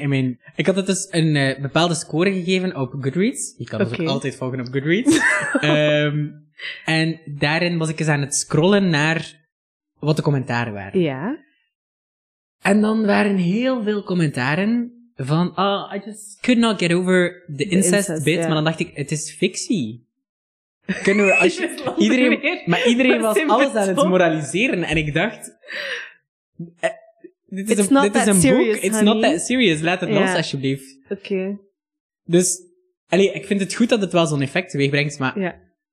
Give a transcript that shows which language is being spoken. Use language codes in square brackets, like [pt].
[nl] In mijn ik had het dus een bepaalde score gegeven op Goodreads. Je kan het ook altijd volgen op Goodreads. en daarin was ik eens aan het scrollen naar wat de commentaren waren. Ja. En dan waren heel veel commentaren van... [en] Oh, I just could not get over the incest bit. [nl] Ja. Maar dan dacht ik, het is fictie. Kunnen we... Als iedereen, maar iedereen was alles aan het moraliseren. En ik dacht... [en] It's not that serious, [nl] laat het los alsjeblieft. Oké. Dus, allee, ik vind het goed dat het wel zo'n effect teweegbrengt, maar...